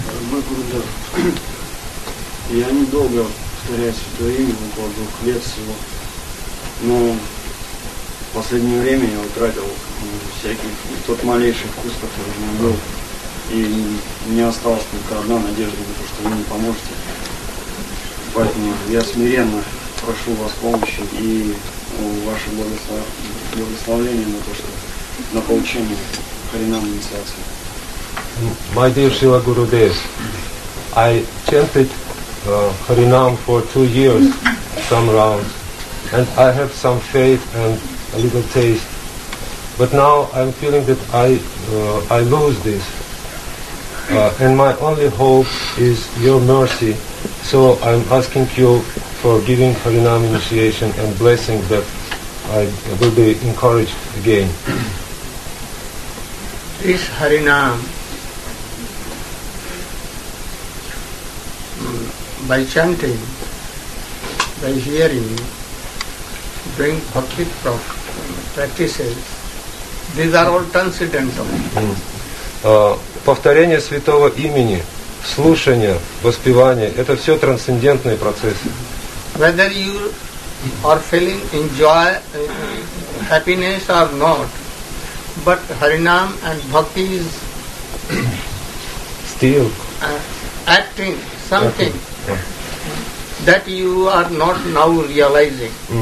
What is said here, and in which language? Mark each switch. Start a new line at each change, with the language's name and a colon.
Russian: Мой Гурудев, я недолго повторяю святое имя, около 2 лет всего, но в последнее время я утратил всякий тот малейший вкус, который у меня был. И мне осталась только одна надежда на то, что вы мне поможете. Поэтому я смиренно прошу вас помощи и ваше благословение на то, что на получение харинам инициации.
English: My dear Srila Gurudev, I chanted Харинам for 2 years, some rounds, and I have some faith and a little taste. But now I'm feeling that I lose this. And my only hope is your mercy. So I'm asking you for giving Harinam initiation and blessing that I will be encouraged again. This Harinam, by chanting, by hearing, doing bhakti practices, these are all transcendental.
Russian: Повторение святого имени, слушание, воспевание – это все трансцендентные процессы.
English: Whether you are feeling enjoy, happiness or not, but Harinam and Bhakti is still acting something that you are not now realizing.